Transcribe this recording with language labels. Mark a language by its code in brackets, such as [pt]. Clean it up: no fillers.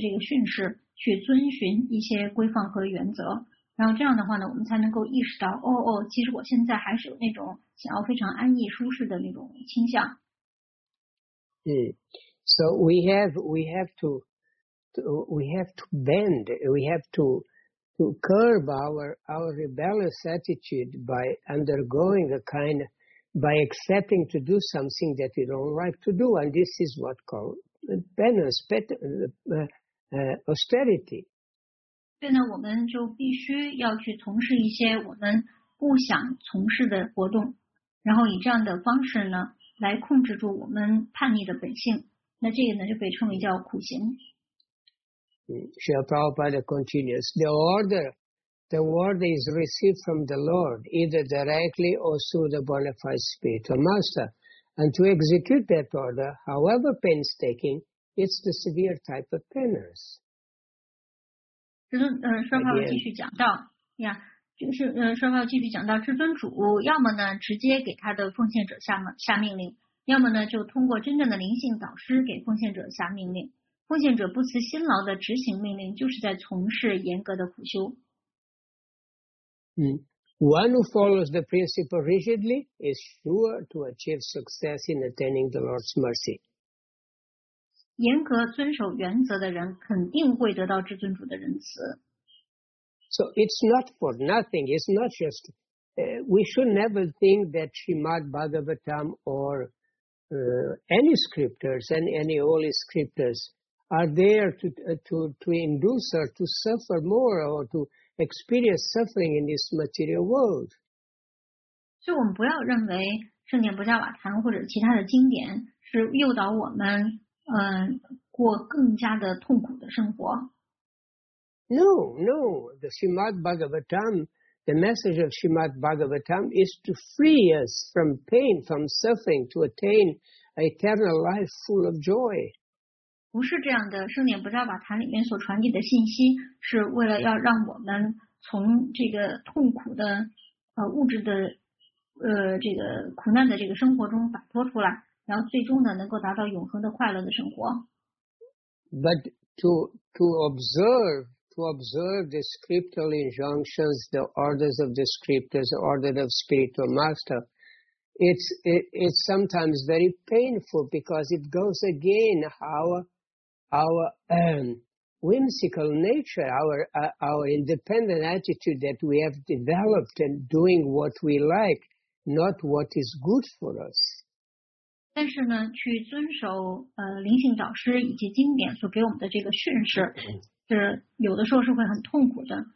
[en] But [zh] 因为我们现在灵性生活中还处在一个非常的不稳定的状态，所以我们呢就必须要按照我们的灵性导师以及经典中所给我们的这个训示去遵循一些规范和原则。然后这样的话呢，我们才能够意识到，其实我现在还是有那种想要非常安逸舒适的那种倾向。 [en] So we have to curb our rebellious attitude by undergoing by accepting to do something that we don't like to do, and this is what called penance, austerity. [zh] 所以呢，我们就必须要去从事一些我们不想从事的活动，然后以这样的方式呢，来控制住我们叛逆的本性。那这个呢，就被称为叫苦行。 [en] Srila Prabhupada continues, the order the word is received from the Lord, either directly or through the bona fide spiritual master. And to execute that order, however painstaking, it's the severe type of penance. [zh] 就是说话继续讲到呀，就是说话继续讲到至尊主，要么呢直接给他的奉献者下命令，要么呢就通过真正的灵性导师给奉献者下命令。奉献者不辞辛劳的执行命令，就是在从事严格的苦修。 [en] One who follows the principle rigidly is sure to achieve success in attaining the Lord's mercy. [zh] 严格遵守原则的人肯定会得到至尊主的仁慈。 [en] So it's not for nothing. It's not just, we should never think that Srimad Bhagavatam or any scriptures and any holy scriptures are there to induce her to suffer more or to experience suffering in this material world. [zh] 所以我们不要认为圣典不加瓦坛或者其他的经典是诱导我们过更加的痛苦的生活。 [en] No, no. The Srimad Bhagavatam, the message of Srimad Bhagavatam is to free us from pain, from suffering, to attain an eternal life full of joy. [zh] 不是这样的，圣典不加瓦坛里面所传递的信息是为了要让我们从这个痛苦的物质的这个苦难的这个生活中摆脱出来，然后最终呢能够达到永恒的快乐的生活。 [en] But to observe the scriptural injunctions, the orders of the scriptures, the order of spiritual master, it's sometimes very painful because it goes again our whimsical nature, our independent attitude that we have developed and doing what we like, not what is good for us. [zh] 但是呢，去遵守灵性导师以及经典所给我们的这个训示，是有的时候是会很痛苦的。